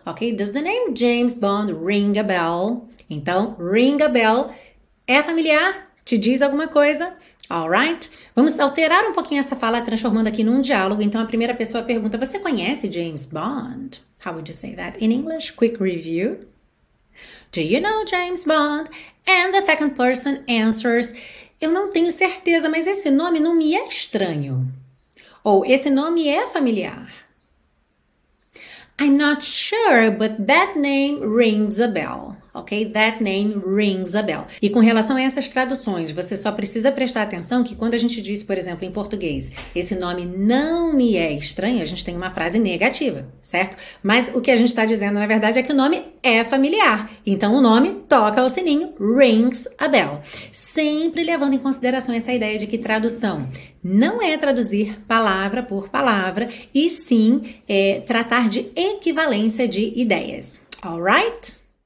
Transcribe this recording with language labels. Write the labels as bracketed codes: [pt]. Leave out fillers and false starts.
[en] Ok, does the name James Bond ring a bell? [pt] Então, ring a bell é familiar? Te diz alguma coisa? Alright? Vamos alterar um pouquinho essa fala, transformando aqui num diálogo. Então, a primeira pessoa pergunta, você conhece James Bond? [en] How would you say that in English? Quick review. Do you know James Bond? And the second person answers, [pt] eu não tenho certeza, mas esse nome não me é estranho. Ou, esse nome é familiar. [en] I'm not sure, but that name rings a bell. Ok? That name rings a bell. [pt] E com relação a essas traduções, você só precisa prestar atenção que quando a gente diz, por exemplo, em português, esse nome não me é estranho, a gente tem uma frase negativa, certo? Mas o que a gente está dizendo, na verdade, é que o nome é familiar. Então, o nome toca o sininho, rings a bell. Sempre levando em consideração essa ideia de que tradução não é traduzir palavra por palavra, e sim tratar de equivalência de ideias. Alright?